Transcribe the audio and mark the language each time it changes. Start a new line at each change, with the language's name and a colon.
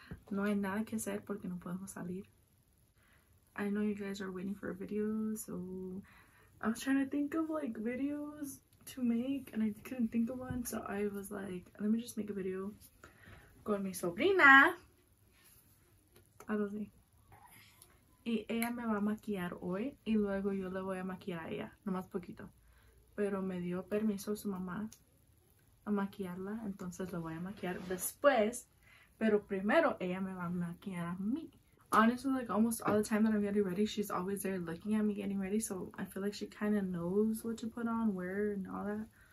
Spanish: No hay nada que hacer porque no podemos salir.
English: I know you guys are waiting for a video, so I was trying to think of like videos to make and I couldn't think of one, so I was like, let me just make a video
Spanish: con mi sobrina. Algo así. Y ella me va a maquillar hoy y luego yo le voy a maquillar a ella, nomás poquito. Pero me dio permiso su mamá a maquillarla, entonces la voy a maquillar después. Pero primero ella me va a maquillar a mí.
English: Honestly, like almost all the time that I'm getting ready, she's always there looking at me getting ready. So I feel like she kind of knows what to put on, where, and all that.